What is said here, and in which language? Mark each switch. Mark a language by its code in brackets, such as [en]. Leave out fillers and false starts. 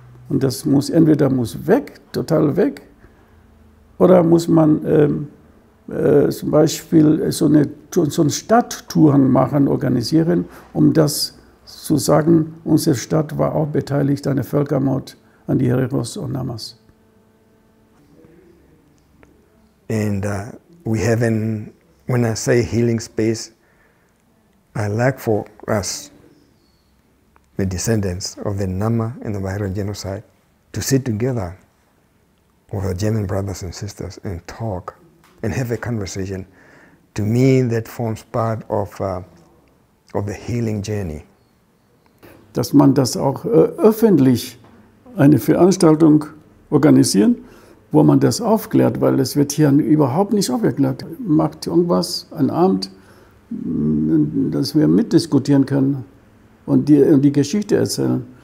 [de] Und das muss entweder muss weg, total weg, oder muss man zum Beispiel so eine Stadttouren machen, organisieren, um das zu sagen, unsere Stadt war auch beteiligt an der Völkermord an die Hereros und Namas. [en] And we have an, when I say healing space, I like for us, the descendants of the Nama and the Ovaherero genocide, to sit together with our German brothers and sisters and talk and have a conversation. To me, that forms part of the healing journey. [de] Dass man das auch öffentlich eine Veranstaltung organisieren, wo man das aufklärt, weil es wird hier überhaupt nicht aufgeklärt. Macht irgendwas, ein Abend, dass wir mitdiskutieren können und die Geschichte erzählen.